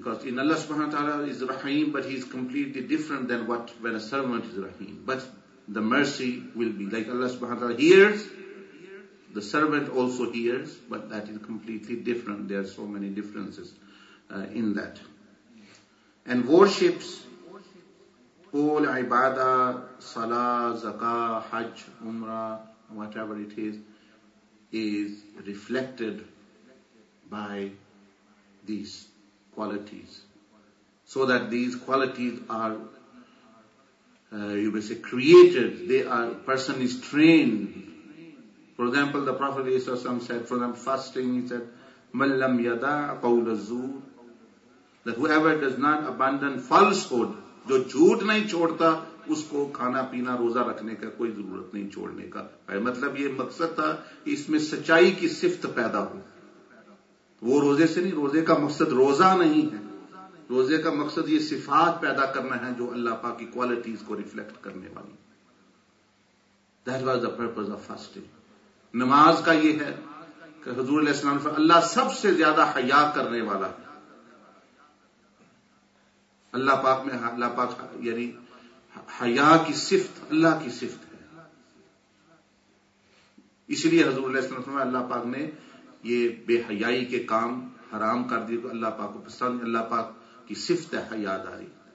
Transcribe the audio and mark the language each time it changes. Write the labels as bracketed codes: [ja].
[en] Because in اللہ سبحانہ وتعالی از رحیم but he is completely different than what when a servant is رحیم، but the mercy will be like اللہ سبحانہ وتعالی hears, the servant also hears, but that is completely different. There are so many differences in that. And worships, all ibadah, salah, zakah, hajj, umrah, whatever it is reflected by these qualities, so that these qualities are you may say created. They are, person is trained. For example, the Prophet said, for example, fasting, he said, [ar] مَن لَمْ يَدَعْ قَوْلَ الزُّورِ, [en] that whoever does not abandon falsehood, [ur] جو جھوٹ نہیں چھوڑتا اس کو کھانا پینا روزہ رکھنے کا کوئی ضرورت نہیں چھوڑنے کا. مطلب یہ مقصد تھا اس میں سچائی کی صفت پیدا ہو. وہ روزے سے نہیں، روزے کا مقصد روزہ نہیں ہے، روزے کا مقصد یہ صفات پیدا کرنا ہے جو اللہ پاک کی qualities کو reflect کرنے والی. [en] That was the purpose of fasting. [ur] نماز کا یہ ہے کہ حضور علیہ السلام پر اللہ سب سے زیادہ حیا کرنے والا ہے. اللہ پاک میں اللہ پاک یعنی حیا کی صفت اللہ کی صفت ہے. اس لیے حضور علیہ السلام پر اللہ پاک نے یہ بے حیائی کے کام حرام کر دیے، تو اللہ پاک کو پسند، اللہ پاک کی صفت ہے حیا داری.